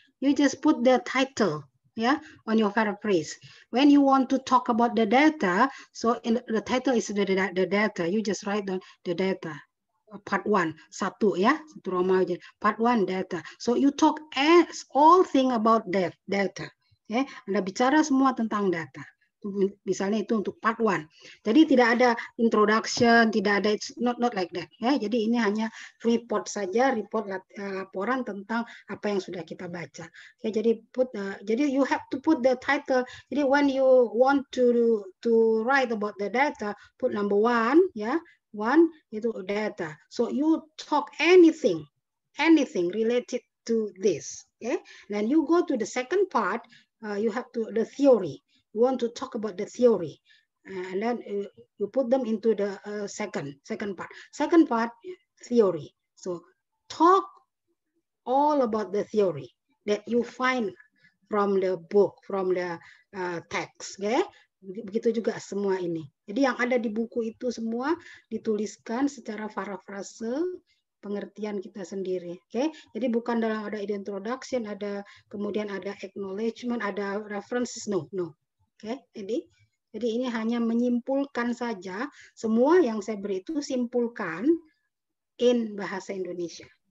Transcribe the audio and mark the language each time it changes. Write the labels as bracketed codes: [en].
[en] You just put the title, yeah, on your paraphrase. When you want to talk about the data, so in the title is the data. You just write down the data, part one, satu, yeah, satu romawi. Part one data. So you talk as all thing about that data, yeah. [id] Anda bicara semua tentang data. Misalnya itu untuk part one. Jadi tidak ada introduction, tidak ada it's not like that. Ya, jadi ini hanya report saja, report laporan tentang apa yang sudah kita baca. [en] Ya, jadi jadi you have to put the title. Jadi when you want to write about the data, put number one, ya, one itu data. So you talk anything related to this. Okay, then you go to the second part. You have to the theory. You want to talk about the theory, and then you put them into the second part. Second part, theory. So talk all about the theory that you find from the book, from the text. [id] Okay, begitu juga semua ini. Jadi yang ada di buku itu semua dituliskan secara parafrase pengertian kita sendiri. Oke. Okay? Jadi bukan dalam ada introduction, ada kemudian ada acknowledgement, ada references. No, no. Oke. Okay? Jadi ini hanya menyimpulkan saja semua yang saya beri itu simpulkan in bahasa Indonesia.